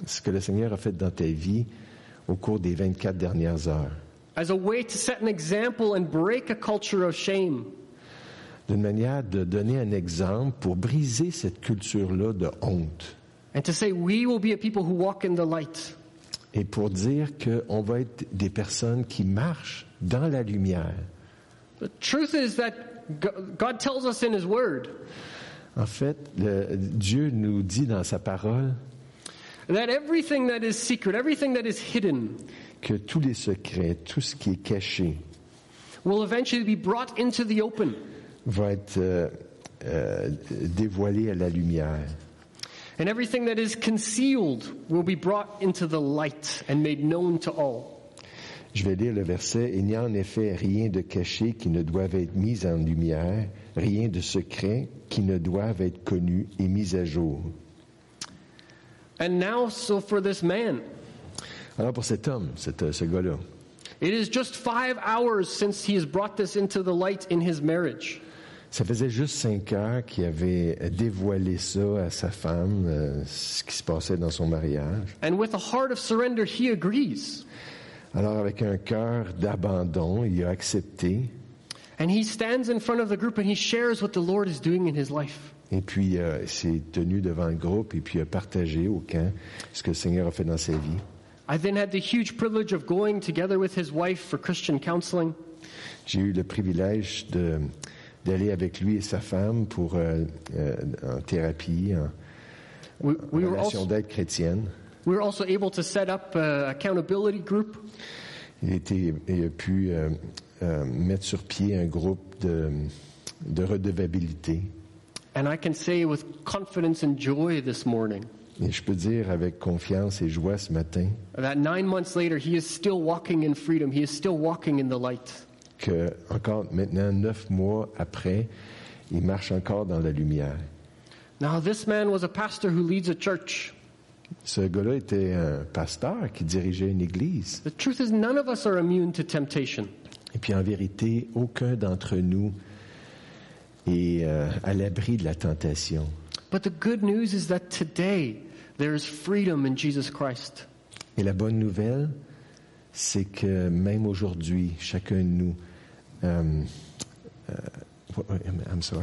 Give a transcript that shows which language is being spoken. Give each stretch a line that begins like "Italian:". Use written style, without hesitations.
French: Ce que le Seigneur a fait dans ta vie au cours des 24 dernières heures.
English: As a way to set an example and break a culture of shame.
French: D'une manière de donner un exemple pour briser cette culture-là de honte.
English: And to say, we will be a people who walk in the light.
French: Et pour dire qu'on va être des personnes qui marchent dans la lumière.
English: The truth is that God tells us in his word.
French: En fait, Dieu nous dit dans sa parole.
English: That everything that is secret, everything that is hidden.
French: Que tous les secrets, tout ce qui est caché.
English: Will eventually be brought into the open.
French: Va être dévoilé à la lumière.
English: And everything that is concealed will be brought into the light and made known to all.
French: Je vais lire le verset. Il n'y a en effet rien de caché qui ne doive être mis en lumière rien de secret qui ne doive être connu et mis à jour.
English: And now, so for this man.
French: Alors pour cet homme, ce gars-là.
English: It is just 5 hours since he has brought this into the light in his marriage.
French: Ça faisait juste 5 heures qu'il avait dévoilé ça à sa femme, ce qui se passait dans son mariage.
English: And with a heart of surrender, he agrees.
French: Alors avec un cœur d'abandon, il a accepté.
English: And he stands in front of the group and he shares what the Lord is doing in his life.
French: Et puis il s'est tenu devant le groupe et puis il a partagé au camp ce que le Seigneur a fait dans sa vie.
English: I then had the huge privilege of going together with his wife for Christian counseling.
French: J'ai eu le privilège d'aller avec lui et sa femme pour en thérapie, en relation d'aide chrétienne.
English: We were also able to set up an accountability group.
French: Il a pu mettre sur pied un groupe de redevabilité.
English: And I can say with confidence and joy this morning.
French: Et je peux dire avec confiance et joie ce matin.
English: That 9 months later, he is still walking in freedom. He is still walking in the light.
French: Que encore maintenant 9 mois après, il marche encore dans la lumière.
English: Now this man was a pastor who leads a church.
French: Ce gars-là était un pasteur qui dirigeait une église.
English: The truth is, none of us are immune to temptation.
French: Et puis en vérité, aucun d'entre nous est à l'abri de la tentation.
English: But the good news is that today there is freedom in Jesus Christ.
French: Et la bonne nouvelle, c'est que même aujourd'hui, chacun de nous,
English: I'm sorry.